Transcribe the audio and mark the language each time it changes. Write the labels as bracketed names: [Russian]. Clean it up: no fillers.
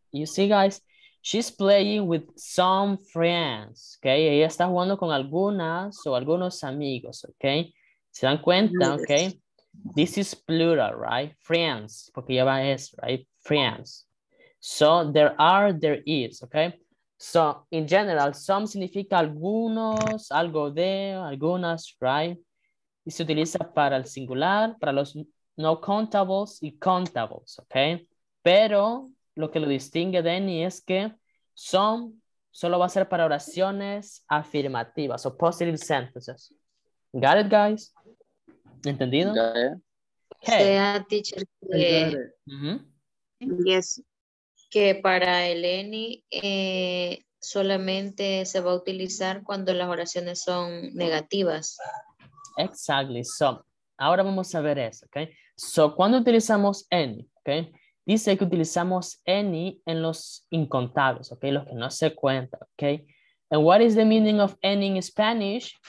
[English] You see, guys, she's playing with some friends, ¿ok? [Spanish] Ella está jugando con algunas o algunos amigos, ¿ok? ¿Se dan cuenta? [English] Ok. This is plural, right? Friends. [Spanish] Porque lleva S, [English] right? Friends. So, there are, there is. Ok. So, in general, [Spanish] some significa algunos, algo de, algunas, right? Y se utiliza para el singular, para los no countables y countables. Ok. Pero, lo que lo distingue, Denny, es que some solo va a ser para oraciones afirmativas o [English] positive sentences. Got it, guys? [Spanish] ¿Entendido? [English] Okay. [Spanish] Sea, teacher, que, yes, que para el any solamente se va a utilizar cuando las oraciones son negativas. Exactly. So, ahora vamos a ver eso, ¿ok? So, ¿cuándo utilizamos any? ¿Ok? Dice que utilizamos any en los incontables, ¿ok? Los que no se cuentan, ¿ok? [English] And what is the meaning of any in Spanish?